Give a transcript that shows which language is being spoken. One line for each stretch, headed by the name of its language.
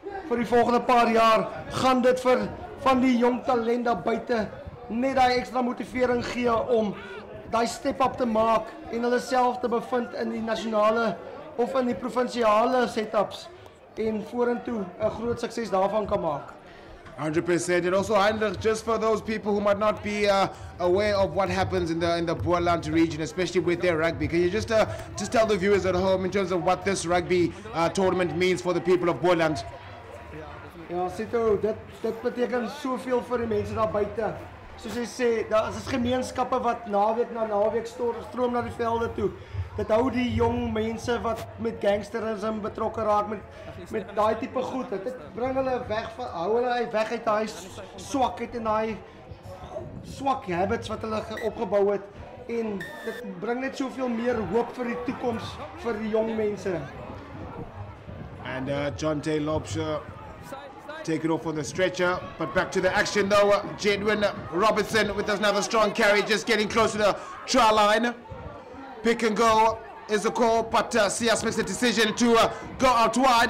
Afrikaans: Vir die volgende paar jaar gaan dit vir van die jong talente buite net daai ekstra motivering gee om daai step up te maak en hulle self te bevind in die nasionale of in die provinsiale setups en vorentoe 'n groot sukses daarvan kan maak. 100%.
English: And also, Heinrich, just for those people who might not be aware of what happens in the Boland region, especially with their rugby, can you just tell the viewers at home in terms of what this rugby tournament means for the people of Boland?
Afrikaans: Ja, Sito, dit beteken soveel vir die mense daar buite. Soos jy sê, daar is gemeenskappe wat naweek na naweek stroom na die velde toe. Dit hou die jong mense wat met gangsterisme betrokke raak met daai tipe goed. Dit bring hulle weg van hou hulle weg uit daai swakheid en daai swak habits wat hulle opgebou het en dit bring net soveel meer hoop vir die toekoms vir die jong mense.
English: And Jonte Lobsher taken off on the stretcher, but back to the action though. Jedwin Robertson with another strong carry, just getting close to the try line. Pick and go is the call, but CS makes the decision to go out wide.